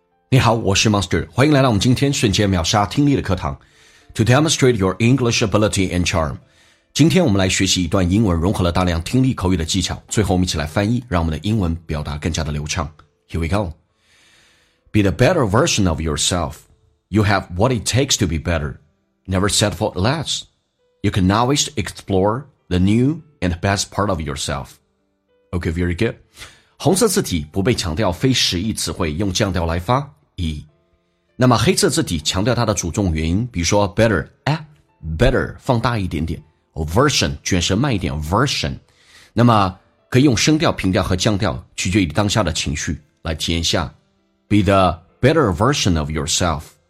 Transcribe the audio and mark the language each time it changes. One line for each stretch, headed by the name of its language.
Chinese: 你好，我是 Monster， 欢迎来到我们今天瞬间秒杀听力的课堂
English: To demonstrate your English ability and charm。
Chinese: 今天我们来学习一段英文，融合了大量听力口语的技巧，最后我们一起来翻译，让我们的英文表达更加的流畅。
English: Here we go. Be the better version of yourself. You have what it takes to be better. Never settle for less. You can always explore the new and best part of yourself. Okay, very good.
Chinese: 红色字体不被强调非实义词汇用降调来发 E 那么黑色字体强调它的主重元音比如说 better better 放大一点点 version 卷舌慢一点 version 那么可以用声调平调和降调取决于当下的情绪来体验一下
English: Be the better version of yourself